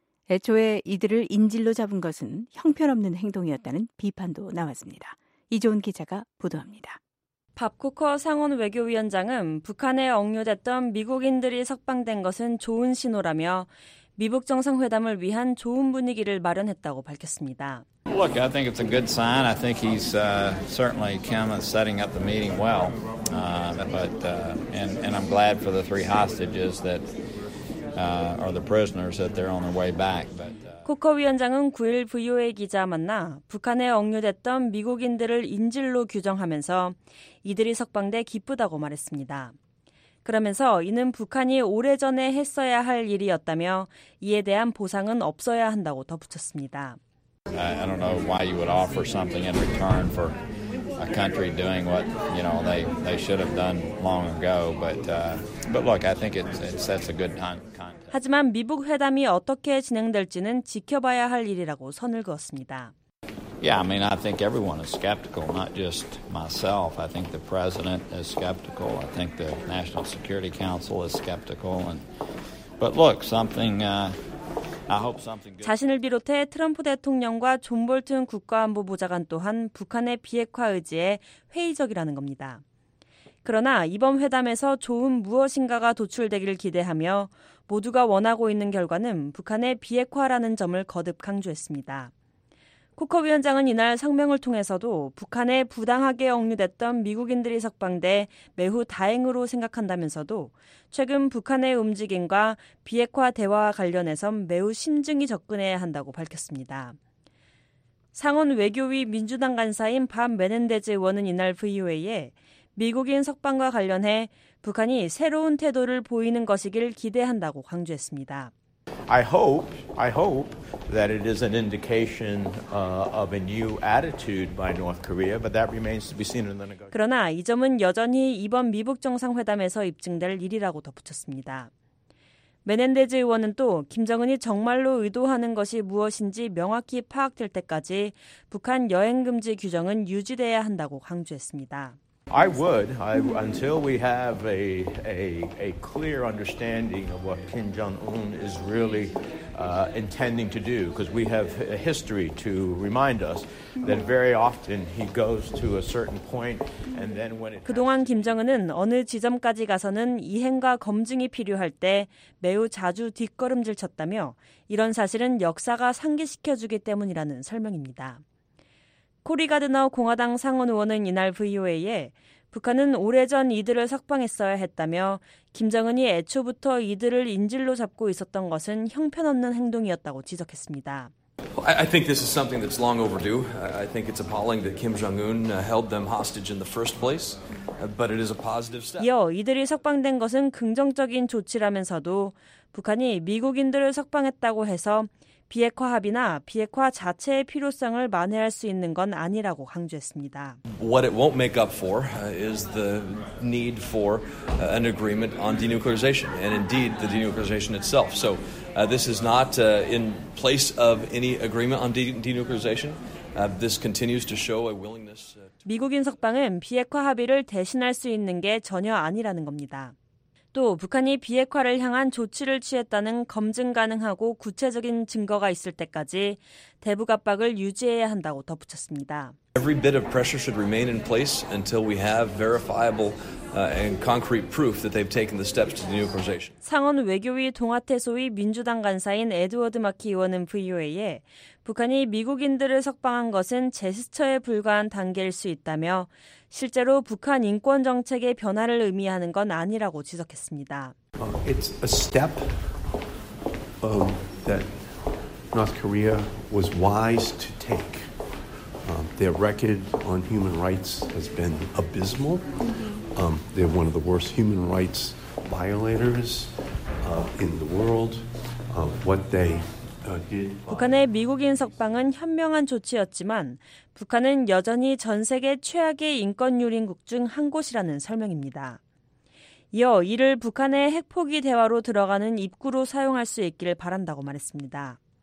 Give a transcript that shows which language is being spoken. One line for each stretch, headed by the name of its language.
Korean: 애초에 이들을 인질로 잡은 것은 형편없는 행동이었다는 비판도 나왔습니다. 이종훈 기자가 보도합니다. 밥 쿠커 상원 외교위원장은 북한에 억류됐던 미국인들이 석방된 것은 좋은 신호라며 미북 정상회담을 위한 좋은 분위기를 마련했다고 밝혔습니다.
English: Look, I think it's a good sign. I think he's certainly Kim is setting up the meeting well. But I'm glad for the three hostages that are the prisoners that they're on their way back.
Korean: 쿠커 위원장은 9일 VOA 기자 만나 북한에 억류됐던 미국인들을 인질로 규정하면서 이들이 석방돼 기쁘다고 말했습니다. 그러면서 이는 북한이 오래전에 했어야 할 일이었다며 이에 대한 보상은 없어야 한다고 덧붙였습니다.
English: I don't know why you would offer something in return for a country doing what, you know, they should have done long ago, but look, I think it sets a good context.
Korean: 하지만 미북 회담이 어떻게 진행될지는 지켜봐야 할 일이라고 선을 그었습니다.
English: Yeah, I mean, I think everyone is skeptical, not just myself. I think the president is skeptical. I think the National Security Council is skeptical. But look, something. I hope something good.
Korean: 자신을 비롯해 트럼프 대통령과 존 볼튼 국가안보 보좌관 또한 북한의 비핵화 의지에 회의적이라는 겁니다. 그러나 이번 회담에서 좋은 무엇인가가 도출되길 기대하며 모두가 원하고 있는 결과는 북한의 비핵화라는 점을 거듭 강조했습니다. 쿠커 위원장은 이날 성명을 통해서도 북한에 부당하게 억류됐던 미국인들이 석방돼 매우 다행으로 생각한다면서도 최근 북한의 움직임과 비핵화 대화와 관련해선 매우 심증이 접근해야 한다고 밝혔습니다. 상원 외교위 민주당 간사인 밤 메넨데즈 의원은 이날 VOA에 미국인 석방과 관련해 북한이 새로운 태도를 보이는 것이길 기대한다고 강조했습니다.
English: I hope that it is an indication of a new attitude by North Korea, but that remains to be seen in the negotiations.
Korean: 그러나 이 점은 여전히 이번 미북 정상회담에서 입증될 일이라고 덧붙였습니다. 메넨데즈 의원은 또 김정은이 정말로 의도하는 것이 무엇인지 명확히 파악될 때까지 북한 여행 금지 규정은 유지돼야 한다고 강조했습니다.
English: I would, until we have a clear understanding of what Kim Jong-un is really intending to do, because we have a history to remind us that very often he goes to a certain point and then when it
Korean: 그동안 김정은은 어느 지점까지 가서는 이행과 검증이 필요할 때 매우 자주 뒷걸음질 쳤다며 이런 사실은 역사가 상기시켜주기 때문이라는 설명입니다. 코리 가드너 공화당 상원 의원은 이날 VOA에 북한은 오래전 이들을 석방했어야 했다며 김정은이 애초부터 이들을 인질로 잡고 있었던 것은 형편없는 행동이었다고 지적했습니다.
English: I think this is something that's long overdue. I think it's appalling that Kim Jong-un held them hostage in the first place, but it is a positive step.
Korean: 이어 이들이 석방된 것은 긍정적인 조치라면서도 북한이 미국인들을 석방했다고 해서 비핵화 합의나 비핵화 자체의 필요성을 만회할 수 있는 건 아니라고 강조했습니다.
English: What it won't make up for is the need for an agreement on denuclearization and indeed the denuclearization itself. So this is not in place of any agreement on denuclearization. This continues to show a willingness to
Korean: 미국인 석방은 비핵화 합의를 대신할 수 있는 게 전혀 아니라는 겁니다. 또 북한이 비핵화를 향한 조치를 취했다는 검증 가능하고 구체적인 증거가 있을 때까지 대북 압박을 유지해야 한다고 덧붙였습니다.
English: Every bit of pressure should remain in place until we have verifiable and concrete proof that they've taken the steps to denuclearization.
Korean: 상원 외교위 동아태 소위 민주당 간사인 에드워드 마키 의원은 VOA에 북한이 미국인들을 석방한 것은 제스처에 불과한 단계일 수 있다며 실제로 북한 인권 정책의 변화를 의미하는 건 아니라고 지적했습니다.
English: It's a step that North Korea was wise to take. Their record on human rights has been abysmal. They're one of the worst human rights violators in the world. What they
Korean: 북한의 미국인 석방은 현명한 조치였지만 북한은 여전히 전 세계 최악의 인권 유린국 중 한 곳이라는 설명입니다. 이어 이를 북한의 핵포기 대화로 들어가는 입구로 사용할 수 있기를 바란다고 말했습니다.